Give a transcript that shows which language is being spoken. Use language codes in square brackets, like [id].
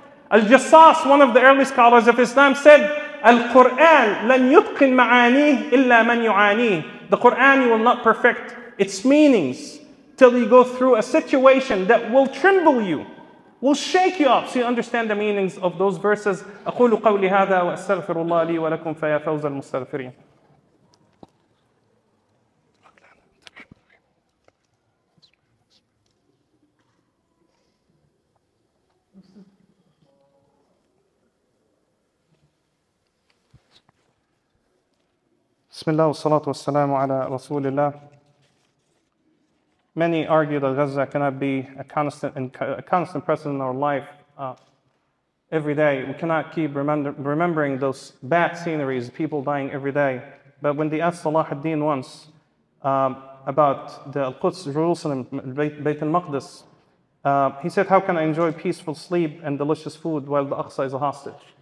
[en] Al-Jassas, one of the early scholars of Islam, said, [ar] Al-Quran lan yutqin ma'anih illa man yu'anih. [en] The Quran, you will not perfect its meanings till you go through a situation that will tremble you, will shake you up, so you understand the meanings of those verses. [ar] أقول قولي هذا وأستغفر الله لي ولكم فيا فوز المستغفرين. بسم الله والصلاة والسلام على رسول الله. [en] Many argue that Gaza cannot be a constant presence in our life every day. We cannot keep remembering those bad sceneries, people dying every day. But when they asked Salah ad-Din once about the Al-Quds, Jerusalem, Bayt al-Maqdis, he said, how can I enjoy peaceful sleep and delicious food while the Aqsa is a hostage?